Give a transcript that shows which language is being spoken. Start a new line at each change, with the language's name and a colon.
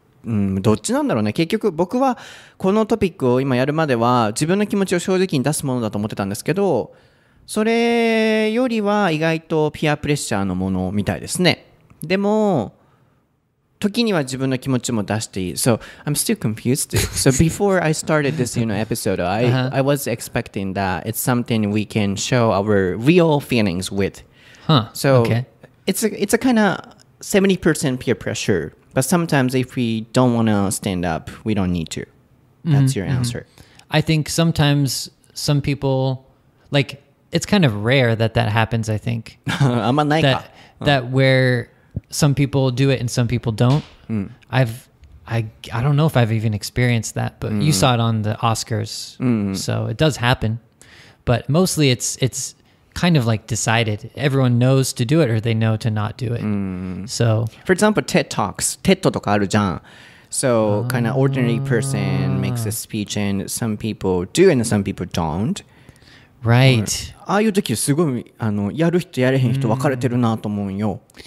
Japanese: どっちなんだろうね。結局僕はこのトピックを今やるまでは自分の気持ちを正直に出すものだと思ってたんですけど、それよりは意外とピアプレッシャーのものみたいですね。でも時には自分の気持ちも出していい。
English: So I'm still confused. So before I started this, you know, episode, I was expecting that it's something we can show our real feelings with. So it's a kind of 70% peer pressure. But sometimes if we don't want to stand up, we don't need to. That's your answer. I think sometimes some people, like, it's kind of rare that happens, I think. That where some people do it and some people don't. I don't know if I've even experienced that, but you saw it on the Oscars. So it does happen. But mostly it's kind of like decided. Everyone knows to do it or they know to not do it. So, for example, TED Talks. TED
Japanese: とかあるじゃん。
English: So, kind of ordinary person makes a speech and some people do and some people don't. Right.
Japanese: ああいう時すごい、あの、やる人やれへん人分かれてるなと思うよ。